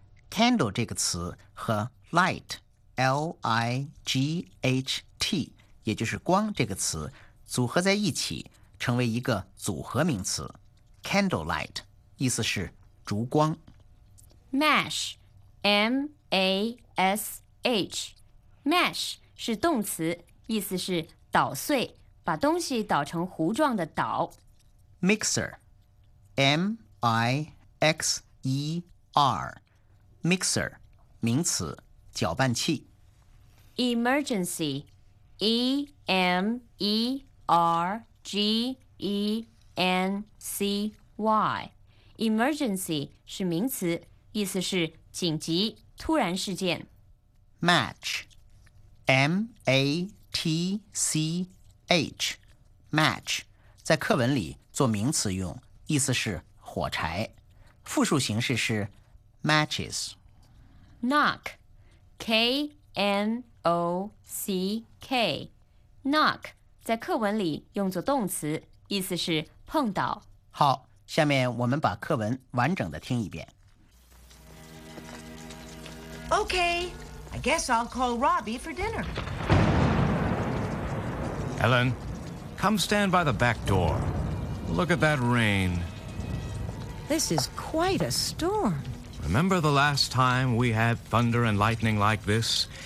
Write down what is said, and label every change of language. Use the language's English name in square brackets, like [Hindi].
[Chinese] Candle 这个词和 light， L-I-G-H-T， 也就是光这个词组合在一起，成为一个组合名词， Candlelight， 意思是烛光。 Mash， M-A-S-H， Mash 是动词，意思是捣碎，把东西捣成糊状的捣。 Mixer， M-I-X-E-R， Mixer 名词，搅拌器。 Emergency， E-M-E-R-G-E-N-C-Y， Emergency 是名词，意思是紧急，突然事件。 Match， M-A-T-C-H， Match 在课文里做名词用，意思是火柴，复数形式是 matches。 Knock， K-N-O-C-K， Knock 在课文里用作动词，意思是碰倒。好，下面我们把课文完整的听一遍。 [English] Okay, I guess I'll call Robbie for dinner. Ellen, come stand by the back door. Look at that rain. This is quite a storm. Remember the last time we had thunder and lightning like this?